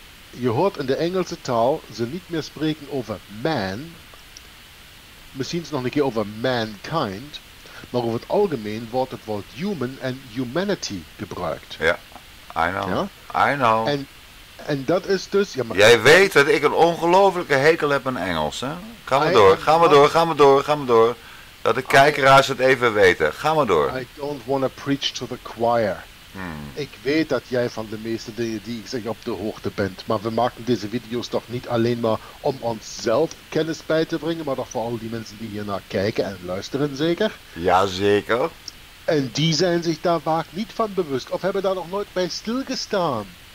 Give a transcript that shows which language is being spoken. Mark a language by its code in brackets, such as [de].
[nl] Je hoort in de Engelse taal ze niet meer spreken over man, misschien nog een keer over mankind, maar over het algemeen wordt het woord human en humanity gebruikt. [en] Ja, I know. Ja? I know. [nl] En dat is dus. Ja, maar jij weet dat ik een ongelofelijke hekel heb aan Engels. Hè? Ga maar door. Dat de kijkeraars het even weten. Ga maar door. [en] I don't want to preach to the choir. [nl] Ik weet dat jij van de meeste dingen die ik zeg op de hoogte bent. Maar we maken deze video's toch niet alleen maar om onszelf kennis bij te brengen. Maar toch voor al die mensen die hiernaar kijken en luisteren zeker. Jazeker. En die zijn zich daar vaak niet van bewust. Of hebben daar nog nooit bij stilgestaan.